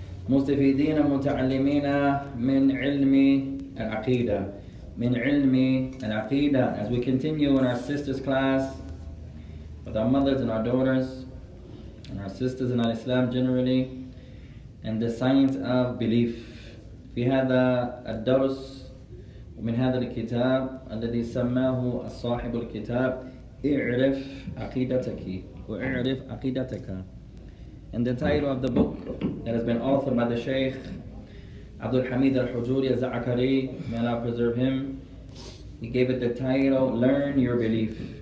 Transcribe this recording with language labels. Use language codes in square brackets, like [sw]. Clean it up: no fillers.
[ar] مُسْتَفِدِينَ مُتَعَلِّمِينَ مِنْ عِلْمِ الْعَقِيدَةِ مِنْ عِلْمِ الْعَقِيدَةِ. [en] As we continue in our sisters' class with our mothers and our daughters and our sisters in al-Islam generally, and the science of belief. [ar] في هذا الدرس ومن هذا الكتاب الذي سماه الصاحب الكتاب اعرف عقيدتك واعرف عقيدتك. [en] And the title of the book that has been authored by the Shaykh Abdul Hamid al-Hujuri al-Za'akari, may Allah preserve him, he gave it the title Learn Your Belief.